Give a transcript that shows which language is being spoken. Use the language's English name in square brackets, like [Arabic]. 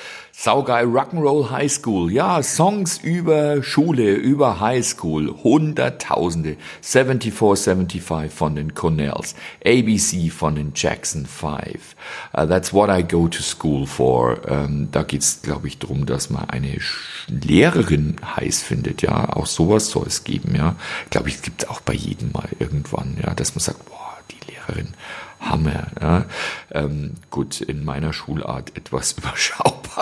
[German] Saugeil, Rock'n'Roll High School. Ja, Songs über Schule, über High School. Hunderttausende. 74-75 von den Cornells. ABC von den Jackson 5. [English] That's what I go to school for. [German] Da geht's, glaube ich, drum, dass man eine Lehrerin heiß findet. Ja, auch sowas soll es geben. Ja, glaube ich, gibt's auch bei jedem mal irgendwann. Ja, dass man sagt, boah, die Lehrerin, Hammer. Ja, gut, in meiner Schulart etwas überschaubar.